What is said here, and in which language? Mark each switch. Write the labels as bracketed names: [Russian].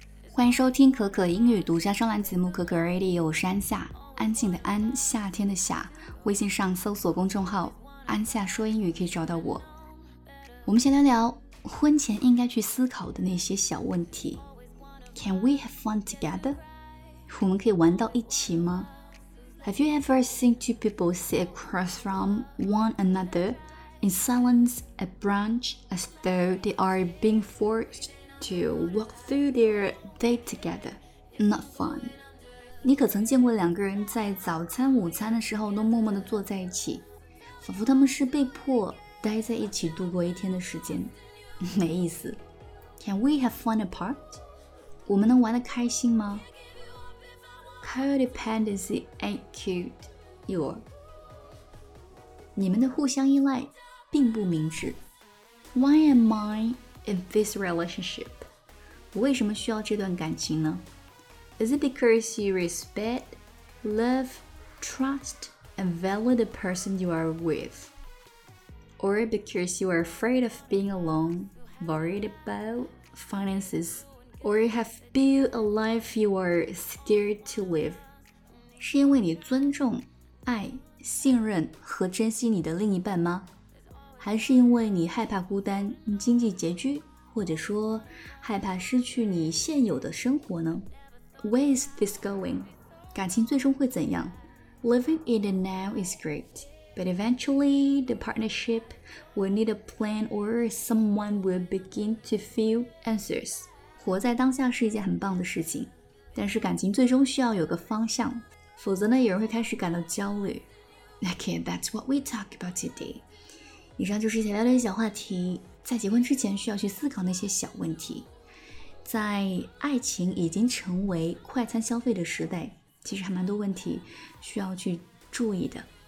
[Chinese] 欢迎收听可可英语独家专栏节目可可 Radio， 我是安夏，安静的安，夏天的夏。微信上搜索公众号安夏说英语可以找到我。我们先聊聊婚前应该去思考的那些小问题。 [English] Can we have fun together? [Chinese] 我们可以玩到一起吗？ [English] Have you ever seen two people sit across from one another in silence at brunch as though they are being forced to walk through their day together? Not fun. [Chinese] 你可曾见过两个人在早餐午餐的时候都默默地坐在一起，仿佛他们是被迫待在一起度过一天的时间，没意思。 [English] Can we have fun apart? [Chinese] 我们能玩得开心吗？ [English] Codependency ain't cute, your [Chinese] 你们的互相依赖并不明智。 [English] Why am I in this relationship? [Chinese] 我为什么需要这段感情呢？ [English] Is it because you respect, love, trust, and value the person you are with? Or because you are afraid of being alone, worried about finances, or you have built a life you are scared to live. [Chinese] 是因为你尊重、爱、信任和珍惜你的另一半吗？还是因为你害怕孤单、经济拮据，或者说害怕失去你现有的生活呢？ [English] Where is this going? [Chinese] 感情最终会怎样？ [English] Living in the now is great. But eventually, the partnership will need a plan or someone will begin to feel anxious. [Chinese] 活在当下是一件很棒的事情，但是感情最终需要有个方向，否则呢，有人会开始感到焦虑。 [English] Okay, that's what we talk about today. [Chinese] 以上就是想聊的小话题，在结婚之前需要去思考那些小问题。在爱情已经成为快餐消费的时代，其实还蛮多问题需要去注意的。